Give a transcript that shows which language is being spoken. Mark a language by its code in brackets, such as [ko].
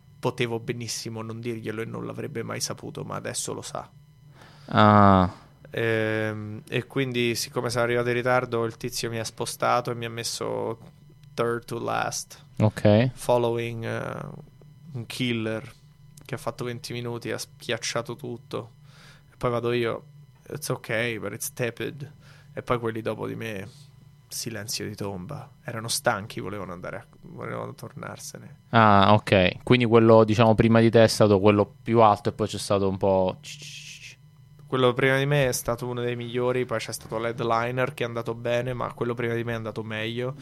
[it] Potevo benissimo non dirglielo e non l'avrebbe mai saputo, ma adesso lo sa. Ah. E quindi, siccome sono arrivato in ritardo, il tizio mi ha spostato e mi ha messo [en] third to last. [it] Ok. Following un killer che ha fatto 20 minuti, ha schiacciato tutto. E poi vado io, [en] it's okay, but it's tepid. [it] E poi quelli dopo di me, silenzio di tomba. Erano stanchi, volevano andare, volevano tornarsene. Ah, ok. Quindi quello, diciamo, prima di te è stato quello più alto e poi c'è stato un po'... Quello prima di me è stato uno dei migliori, poi c'è stato l'headliner che è andato bene, ma quello prima di me è andato meglio.